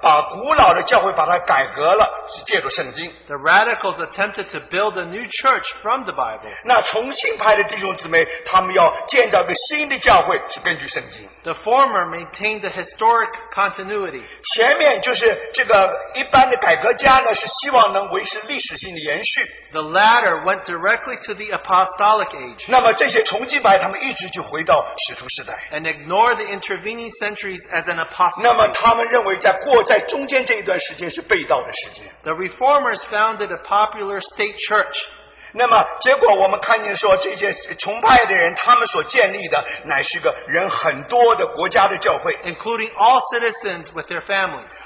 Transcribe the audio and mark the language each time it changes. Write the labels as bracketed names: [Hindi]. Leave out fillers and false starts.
[Chinese] 那这些改革家呢，他们是想把古老的教会把它改革了，是借助圣经。 [English] The radicals attempted to build a new church from the Bible. [Chinese] 那重新派的弟兄姊妹，他们要建造个新的教会，是根据圣经。 [English] The former maintained the historic continuity. [Chinese] 前面就是这个一般的改革家呢，是希望能维持历史性的延续。 [English] The latter went directly to the apostolic age. [Chinese] 那么这些崇敬派他们一直就回到使徒时代。 [English] And ignore the intervening centuries as an apostolic. [Chinese] 那么他们认为在中间这一段时间是被盗的时间。 [English] The reformers founded a popular state church. [Chinese] 那么结果我们看见说这些崇拜的人他们所建立的乃是个人很多的国家的教会， [English] including all citizens with their families，